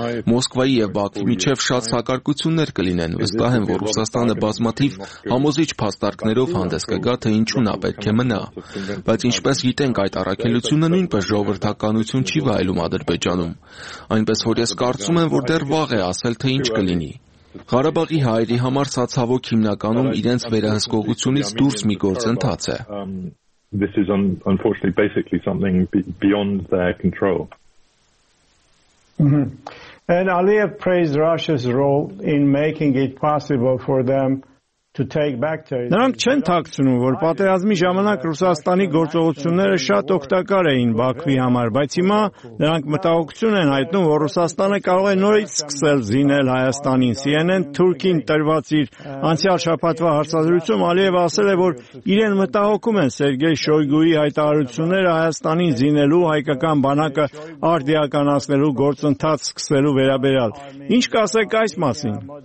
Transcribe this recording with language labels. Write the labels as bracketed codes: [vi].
[hy] Մոսկվայի և Բաքվի միջև շատ հակարկություններ կլինեն, վստահ եմ, որ Ռուսաստանը բազմաթիվ համոզիչ փաստարկներով հանդես կգա, թե ինչու նա պետք է մնա։ Բայց ինչպես գիտենք, այդ առաքելությունը նույնպես ժողովրդականություն չի վայելում Ադրբեջանում, այնպես որ ես կարծում եմ, որ դեռ վաղ է ասել, թե ինչ կլինի։ Ղարաբաղի հայերի համար սա ցավոք հիմնականում իրենց վերահսկողությունից դուրս մի գործընթաց է։ [en] This is unfortunately basically something beyond their control. And Aliyev praised Russia's role in making it possible for them to take back territory. [hy] Նրանք չեն թաքցնում, որ պատերազմի ժամանակ Ռուսաստանի գործողությունները շատ օգտակար էին Բաքվի համար, բայց հիմա նրանք մտահոգություն են հայտնում, որ Ռուսաստանը կարող է նորից սկսել զինել Հայաստանին։ CNN Թուրքին տրված իր անցյալ շաբաթվա հարցազրույցում Ալիևը ասել է, որ իրեն մտահոգում են Սերգեյ Շոյգուի հայտարարությունները Հայաստանին զինելու, հայկական բանակը արդիականացնելու գործընթաց սկսելու վերաբերյալ։ Ինչ կասեք այս մասին։